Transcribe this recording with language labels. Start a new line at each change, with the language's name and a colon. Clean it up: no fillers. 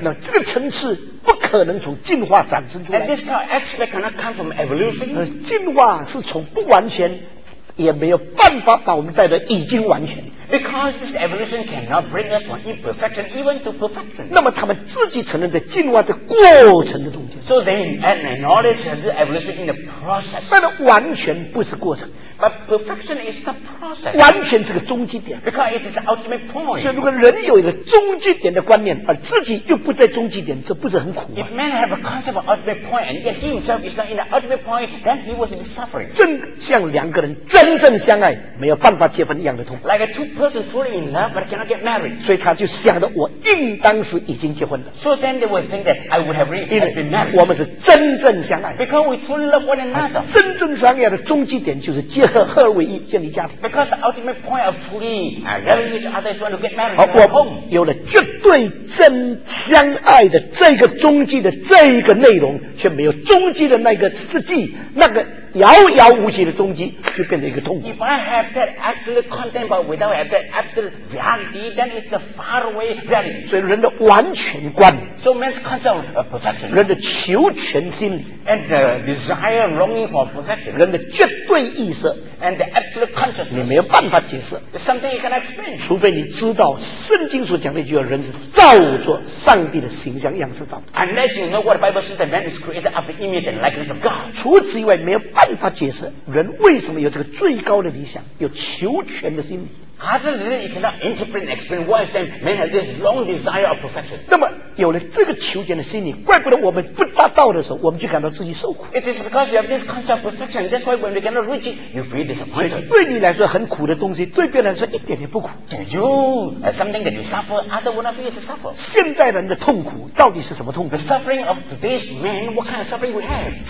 Chinese: 那这个层次不可能从进化产生出来。
English: And this kind of aspect cannot come from evolution.
Chinese: 进化是从不完全也没有办法把我们带到已经完全。
English: Because this evolution cannot bring us from imperfection even to perfection.
Chinese: 那么他们自己承认在进化的过程的中间。
English: So they acknowledge the evolution in the process.
Chinese: 但是完全不是过程。
English: But perfection is the process.
Chinese: 完全是个终极点。
English: Because it is the ultimate point.
Chinese: 所以如果人有一个终极点的观念，而自己又不在终极点，这不是很苦吗？
English: If man have a concept of ultimate point and yet he himself is not in the ultimate point, then he was in suffering.
Chinese: 正像两个人真正相爱，没有办法结婚一样的痛。
English: Like a two person truly in love but cannot get married.
Chinese: 所以他就想着我应当是已经结婚了。
English: So then they would think that I would have really been married.
Chinese: 我们是真正相爱。
English: Because we truly love one another.
Chinese: 真正相爱的终极点就是结。合二为一，建立家庭。
English: Because the ultimate point of truly loving each other is to get married to home.
Chinese: 有了绝对真相爱的这个终极的这个内容，却没有终极的那个实际，那个遥遥无期的终极，就变成一个痛苦。
English: If I have that absolute content, but without have that absolute reality, then it's a faraway reality.
Chinese: 所以人的完全观。
English: So man's concept of perfection.
Chinese: 人的求全心理。
English: And the desire longing for perfection.
Chinese: 人的绝对意识。
English: And the absolute consciousness.
Chinese: 你没有办法解释。
English: It's something you cannot explain.
Chinese: 除非你知道圣经所讲的一句话，人是造作上帝的形象样式造的。
English: Unless you know what the Bible says that man is created after image and likeness of God.
Chinese: 除此以外，没有办法解释人为什么有这个最高的理想，有求全的心。
English: How does this you cannot interpret and explain why then man has this long desire of perfection?
Chinese: 那么有了这个求全的心理，怪不得我们不达到的时候，我们就感到自己受苦。
English: It is because you have this concept of perfection. That's why when we cannot reach it, you feel disappointed.
Chinese: 所以对你来说很苦的东西，对别人来说一点也不苦。
English: To you, something that you suffer, other one of you is suffer.
Chinese: 现在人的痛苦到底是什么痛苦？
English: The suffering of today's man, what kind of suffering we have?